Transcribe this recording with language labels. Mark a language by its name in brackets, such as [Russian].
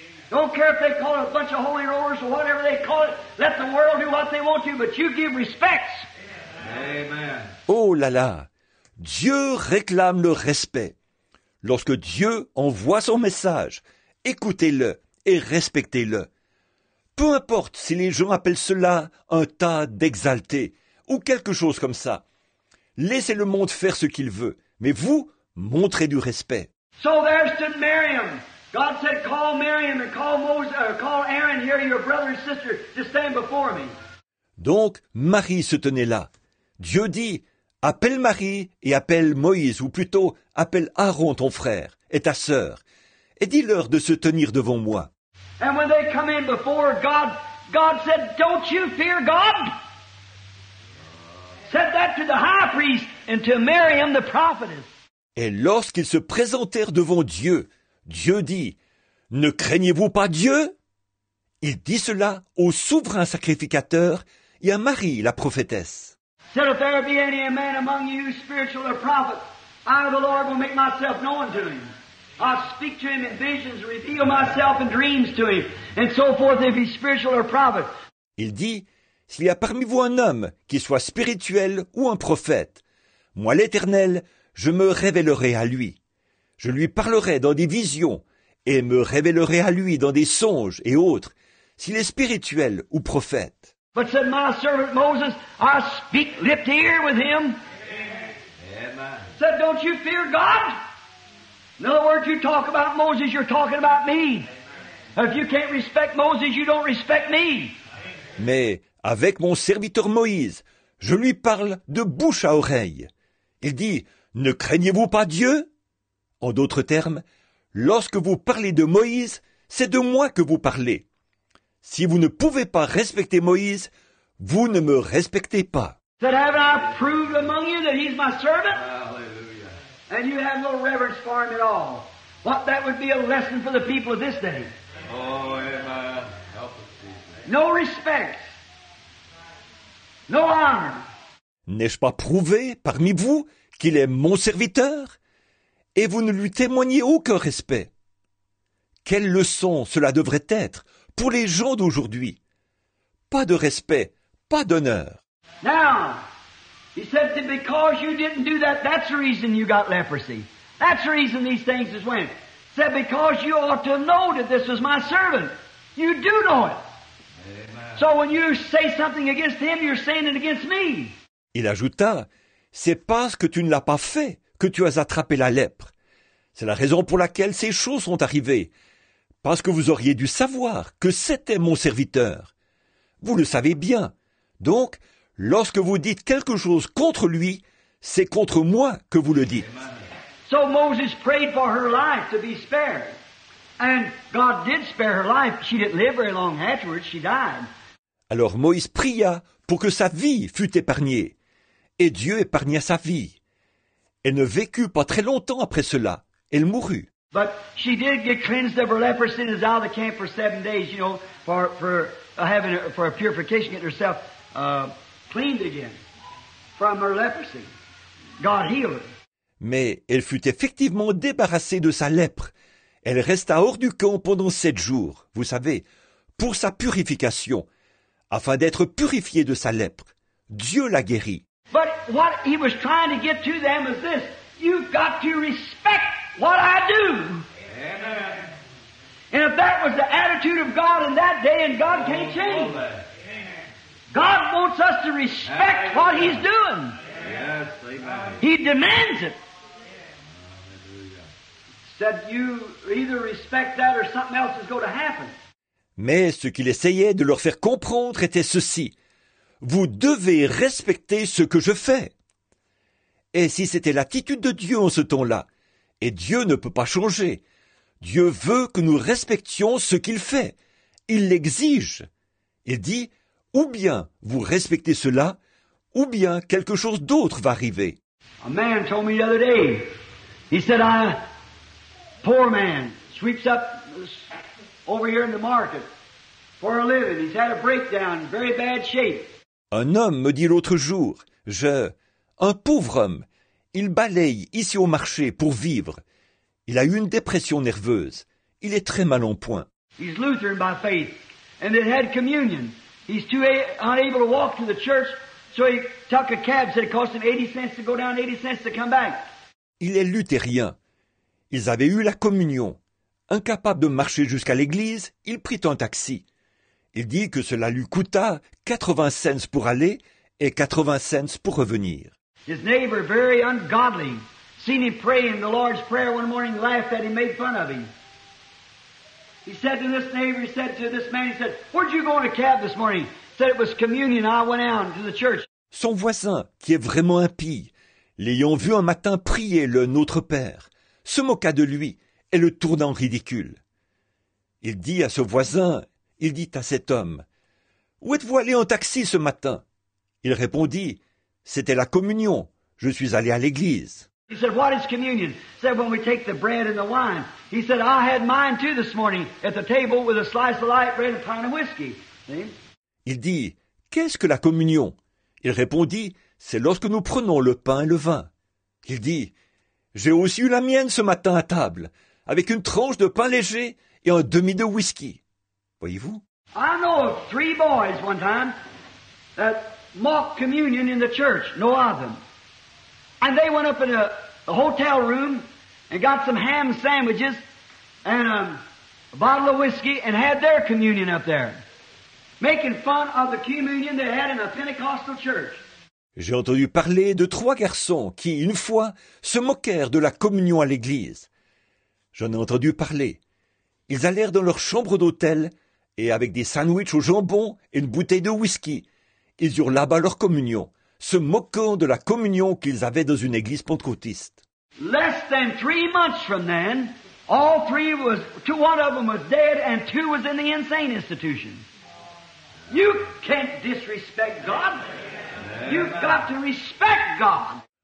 [English] Don't care if they call it a bunch of holy rollers or whatever they call it. Let the world do what they want to, but you give respects. Amen. [French] Oh là là, Dieu réclame le respect. Lorsque Dieu envoie son message, écoutez-le et respectez-le. Peu importe si les gens appellent cela un tas d'exaltés ou quelque chose comme ça. Laissez le monde faire ce qu'il veut, mais vous, montrez du respect. [English] So there stood Miriam, God said, call Miriam and call Moses, or call Aaron here, your brother and sister, to stand before me. [French] Donc, Marie se tenait là. Dieu dit, appelle Marie et appelle Moïse, ou plutôt, appelle Aaron, ton frère, et ta sœur, et dis-leur de se tenir devant moi. [English] And when they come in before God, God said, don't you fear God? Said that to the high priest and to Miriam the prophetess. [French] Et lorsqu'ils se présentèrent devant Dieu, Dieu dit, ne craignez-vous pas Dieu? Il dit cela au souverain sacrificateur et à Marie la prophétesse. [English] Said if there be any man among you spiritual or prophet, I the Lord will make myself known to him. I speak to him in visions, reveal myself in dreams to him, and so forth if he's spiritual or prophet. [French] Il dit, s'il y a parmi vous un homme qui soit spirituel ou un prophète, moi l'Éternel, je me révélerai à lui. Je lui parlerai dans des visions et me révélerai à lui dans des songes et autres, s'il est spirituel ou prophète. [English] But said my servant Moses, I speak lip to ear with him. Amen. Said, don't you fear God? In other words, you talk about Moses, you're talking about me. If you can't respect Moses, you don't respect me. [French] Mais avec mon serviteur Moïse, je lui parle de bouche à oreille. Il dit, ne craignez-vous pas Dieu? En d'autres termes, lorsque vous parlez de Moïse, c'est de moi que vous parlez. Si vous ne pouvez pas respecter Moïse, vous ne me respectez pas. [English] That haven't I proved among you that he's my servant? Hallelujah. And you have no reverence for him at all. What that would be a lesson for the people of this day. Oh, am I helpless? No respect. No honor. [French] N'ai-je pas prouvé parmi vous qu'il est mon serviteur? Et vous ne lui témoignez aucun respect. Quelle leçon cela devrait être pour les gens d'aujourd'hui? Pas de respect, pas d'honneur. [English] Now, he said that because you didn't do that, that's the reason you got leprosy. That's the reason these things just went. He said because you ought to know that this was my servant. You do know it. Amen. So when you say something against him, you're saying it against me. [French] Il ajouta, c'est parce que tu ne l'as pas fait que tu as attrapé la lèpre. C'est la raison pour laquelle ces choses sont arrivées, parce que vous auriez dû savoir que c'était mon serviteur. Vous le savez bien. Donc, lorsque vous dites quelque chose contre lui, c'est contre moi que vous le dites. [English] So Moses prayed for her life to be spared. And God did spare her life. She didn't live very long afterwards. She died. [French] Alors Moïse pria pour que sa vie fût épargnée. Et Dieu épargna sa vie. Elle ne vécut pas très longtemps après cela. Elle mourut. [English] But she did get cleansed of her leprosy and is out of the camp for 7 days, you know, for a purification, getting herself cleaned again from her leprosy. God healed her. [French] Mais elle fut effectivement débarrassée de sa lèpre. Elle resta hors du camp pendant 7 jours, vous savez, pour sa purification, afin d'être purifiée de sa lèpre. Dieu la guérit. [English] But what he was trying to get to them is this. You've got to respect what I do. Amen. And if that was the attitude of God in that day, and God can't change. Amen. God wants us to respect What he's doing. Yes, amen. He demands it. Amen. Said you either respect that or something else is going to happen. [French] Mais ce qu'il essayait de leur faire comprendre était ceci. Vous devez respecter ce que je fais. Et si c'était l'attitude de Dieu en ce temps-là, et Dieu ne peut pas changer, Dieu veut que nous respections ce qu'il fait. Il l'exige. Il dit, ou bien vous respectez cela, ou bien quelque chose d'autre va arriver. [English] A man told me the other day, he said, I, poor man, sweeps up over here in the market for a living. He's had a breakdown, very bad shape. [French] Un homme me dit l'autre jour, un pauvre homme, il balaye ici au marché pour vivre. Il a eu une dépression nerveuse. Il est très mal en point. [English] He's Lutheran by faith, and they had communion. He's too unable to walk to the church, so he took a cab, said it cost him 80 cents to go down, 80 cents to come back. [French] Il est luthérien. Ils avaient eu la communion. Incapable de marcher jusqu'à l'église, il prit un taxi. Il dit que cela lui coûta 80 cents pour aller et 80 cents pour revenir. [English] His neighbor, very ungodly, seen him praying the Lord's Prayer one morning, laughed at him, made fun of him. He said to this neighbor, he said to this man, he said, "Where'd you go in a cab this morning?" He said, "It was communion. I went out to the church." [French] Son voisin, qui est vraiment impie, l'ayant vu un matin prier le Notre Père, se moqua de lui et le tourna en ridicule. Il dit à ce voisin, il dit à cet homme, « Où êtes-vous allé en taxi ce matin ?» Il répondit, « C'était la communion, je suis allé à l'église. » [English] He said, "What is communion?" He said, "When we take the bread and the wine." He said, "I had mine too this morning at the table with a slice of light bread and a pint of whiskey." [French] Il dit, "Qu'est-ce que la communion?" Il répondit, "C'est lorsque nous prenons le pain et le vin." Il dit, "J'ai aussi eu la mienne ce matin à table, avec une tranche de pain léger et un demi de whisky." Voyez-vous? [English] I know three boys one time that mocked communion in the church. No other. And they went up in a hotel room and got some ham sandwiches and a bottle of whiskey and had their communion up there, making fun of the communion they had in a Pentecostal church. [French] J'ai entendu parler de trois garçons qui, une fois, se moquèrent de la communion à l'église. J'en ai entendu parler. Ils allèrent dans leur chambre d'hôtel et avec des sandwichs au jambon et une bouteille de whisky, ils eurent là-bas leur communion, se moquant de la communion qu'ils avaient dans une église pentecôtiste. [English] Less than 3 months from then, all three was, two, one of them was dead and two was in the insane institution. You can't disrespect God. You've got to respect God.